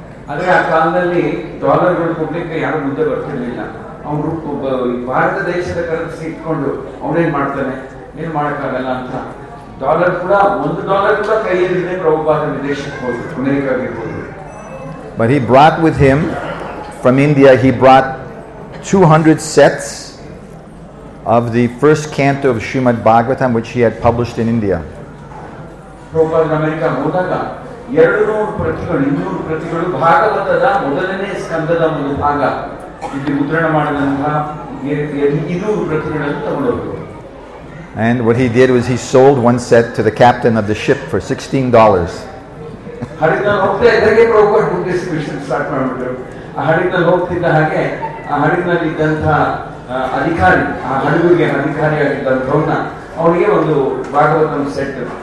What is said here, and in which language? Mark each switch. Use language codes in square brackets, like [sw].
[kn] ಆದರೆ ಆ ಕಾಲದಲ್ಲಿ ಡಾಲರ್ಗಳು ಕೊಡ್ಲಿಕ್ಕೆ ಯಾರು ಮುಂದೆ ಬರ್ತಿರ್ಲಿಲ್ಲ. ಅವನು ಭಾರತ ದೇಶದ ಕರೆನ್ಸಿ ಇಟ್ಕೊಂಡು ಅವನೇನ್ ಮಾಡ್ತಾನೆ, ಏನ್ ಮಾಡೋಕ್ಕಾಗಲ್ಲ ಅಂತ. ಡಾಲರ್ ಕೂಡ $1 ಕೂಡ ಕೈಯಲ್ಲಿದೆ ಪ್ರಭುಪಾದ ವಿದೇಶಕ್ಕೆ ಹೋದ್ರು, ಅಮೆರಿಕಾಗೆ ಹೋದ್ರು. [en] But he brought with him from India, he brought 200 sets of the first canto of Srimad Bhagavatam, which he had published in India. [kn] Prabhupada America ಹೋದಾಗ 200 ಪ್ರತಿಗಳು ಭಾಗವತದ ಮೊದಲನೇ ಸ್ಕಂದದ ಒಂದು ಭಾಗ ಇಲ್ಲಿ ಮುದ್ರಣ ಮಾಡಿದಂತಹ 200 ಪ್ರತಿಗಳನ್ನು ತಗೊಂಡೋದ್ರು. [en] And what he did was he sold one set to the captain of the ship for $16. [kn] ಹರಿದನ್ ಹೋಗ್ತಾ ಇದ್ದಾಗೆ ಪ್ರಭುಪಾದ [en] book distribution start [kn] ಮಾಡಿಬಿಟ್ಟರು. ಆ ಹರಿದಲ್ಲಿ ಹೋಗ್ತಿದ್ದ ಹಾಗೆ ಆ ಹರಿದಲ್ಲಿ ಇದ್ದಂತಹ ಅಧಿಕಾರಿ, ಆ ಹಡಗುಗೆ ಅಧಿಕಾರಿಯಾಗಿದ್ದಂಥ ಅವರಿಗೆ ಒಂದು ಭಾಗವತ ಸೆಟ್